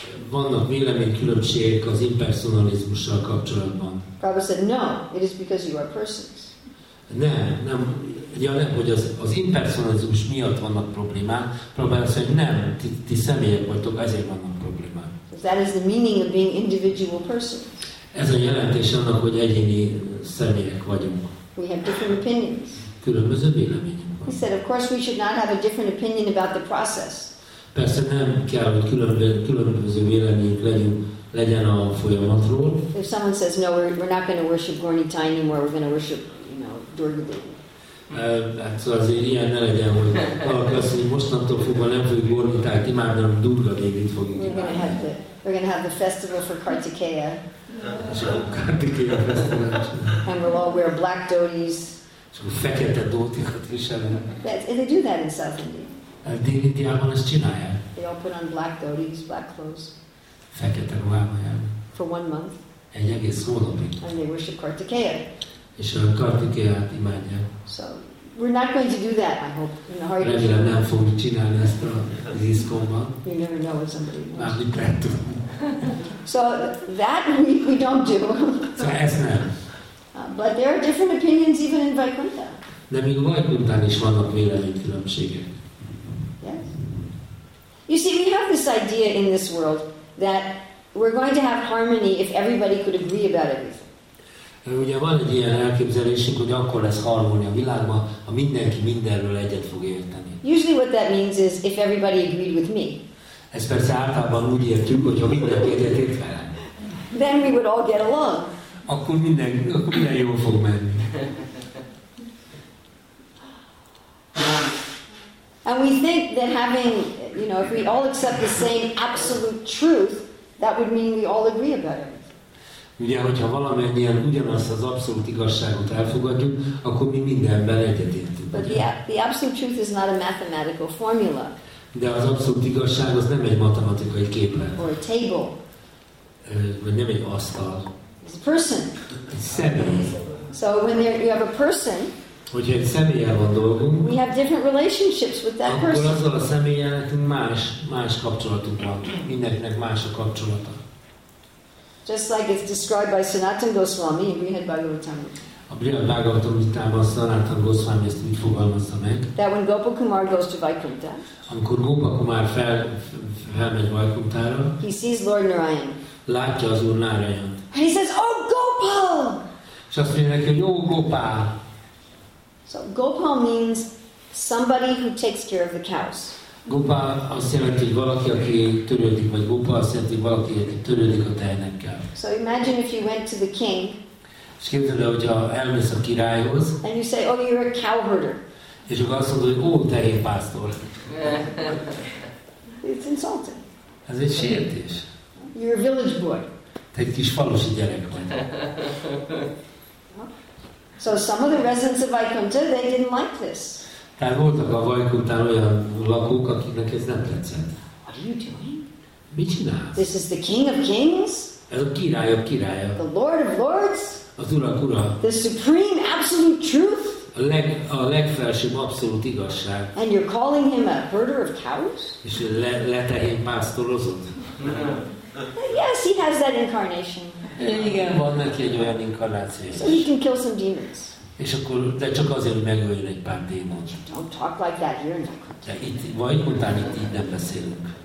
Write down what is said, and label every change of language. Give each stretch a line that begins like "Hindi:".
Hungarian: Vannak véleménykülönbségek az impersonalizmussal kapcsolatban.
English: Prabhupada said, no, it is because you are persons.
Hungarian: Nem, hogy az impersonalizmus miatt vannak problémák.
English: Prabhupada said,
Hungarian: nem, ti személyek vagytok, ezért vannak problémák.
English: That is the meaning of being individual persons.
Hungarian: Ez a jelentés annak, hogy egyéni személyek vagyunk.
English: We have different opinions.
Hungarian: Különböző véleményünk van.
English: He said, of course we should not have a different opinion about the process.
Hungarian: Persze nem kell, hogy különböző véleményünk legyen a folyamatról.
English: If someone says, no, we're not going to worship Gorni Thai anymore, we're going to worship, you know, Durga Devi.
Hungarian: Szóval azért ilyen ne legyen, hogy valaki azt mondja, mostantól fogva nem fogjuk Gorni Thai-t imádni, hanem Durga Devi-t fogjuk imádni.
English: We're going to have the festival for Kartikeya. Kartikeya festival. And we'll all wear black dhotis.
Hungarian: Csak fekete dótikat viselnek.
English: Yes, and they do that in South India.
Hungarian: Dél-Indiában ezt csinálják.
English: They all put on black dhotis, black clothes.
Hungarian: Fekete ruhában jár.
English: For one month.
Hungarian: Egy egész hónapig.
English: And they worship Kartikeya.
Hungarian: És a Kartikeyát imádják.
English: So, we're not going to do that, I hope, in the Hare Krishna.
Hungarian: Remélem, nem fogunk csinálni ezt az ISKCON-ban.
English: You never know what somebody knows.
Hungarian: Már mit lehet tudni.
English: So, that we don't do.
Hungarian: So, ezt nem.
English: But there are different opinions even in Vaikuntha.
Hungarian: De még Vaikunthán is vannak véleménykülönbségek.
English: Yes. You see, we have this idea in this world that we're going to have harmony if everybody could agree about everything.
Hungarian: Ugye van egy ilyen elképzelésünk, hogy akkor lesz harmónia a világban, ha mindenki mindenről egyet fog érteni.
English: Usually what that means is if everybody agreed with me.
Hungarian: Ez persze általában úgy értjük, hogy ha mindenki egyet ért velem.
English: Then we would all get along.
Hungarian: Akkor minden jól fog menni.
English: And we think that having, you know, if we all accept the same absolute truth, that would mean we all agree about it.
Hungarian: Ugye, hogyha valamennyien ugyanazt az abszolút igazságot elfogadjuk, akkor mi mindenben egyetértünk.
English: But the absolute truth is not a mathematical formula.
Hungarian: De az abszolút igazság az nem egy matematikai képlet.
English: Or a table.
Hungarian: Vagy nem egy asztal.
English: Person.
Hungarian: Személy.
English: So when you have a person,
Hungarian: Hogyha egy személlyel van dolgunk,
English: we have different relationships with that person.
Hungarian: Akkor azzal a személlyel nekünk más kapcsolatunk van. Mindenkinek más a kapcsolata.
English: Just like it's described by Sanatana Goswami in Brihad Bhagavatam.
Hungarian: A Brihad Bhagavatamitában Sanatana Goswami ezt mit fogalmazza meg?
English: That when Gopa Kumar goes to Vaikuntha,
Hungarian: amikor Gopa Kumar felmegy Vaikunthára,
English: he sees Lord Narayan.
Hungarian: Látja az Úr Narayant.
English: And he says, oh Gopal!
Hungarian: És azt mondja neki, hogy ó Gopal!
English: So Gopal means somebody who takes care of the cows.
Hungarian: Gopal azt jelenti, hogy valaki, aki törődik, vagy Gopal azt jelenti, hogy valaki, aki törődik a tehenekkel.
English: So imagine if you went to the king.
Hungarian: És képzeld el, hogyha elmész a királyhoz.
English: And you say, oh, you're a cow herder.
Hungarian: És akkor azt mondod, hogy ó, tehénpásztor.
English: It's insulting.
Hungarian: Ez egy sértés.
English: You're a village boy.
Hungarian: Te egy kis falusi gyerek vagy.
English: So some of the residents of Vaikuntha, they didn't like this.
Hungarian: Tehát voltak a Vaikunthán olyan lakók, akiknek ez nem tetszett.
English: What are you doing?
Hungarian: Mit csinálsz?
English: This is the king of kings.
Hungarian: Ez a király a királya.
English: The lord of lords.
Hungarian: Az urak ura.
English: The supreme absolute truth.
Hungarian: A legfelsőbb abszolút igazság.
English: And you're calling him a herder of cows?
Hungarian: És letehén pásztorozott.
English: Yes, he has that incarnation.
Hungarian: Van neki egy olyan inkarnáció.
English: So he can kill some demons.
Hungarian: És akkor, de csak azért, hogy megöljön egy pár démont.
English: Don't talk like that here in Vaikuntha.
Hungarian: De itt, Vaikunthán itt így nem beszélünk.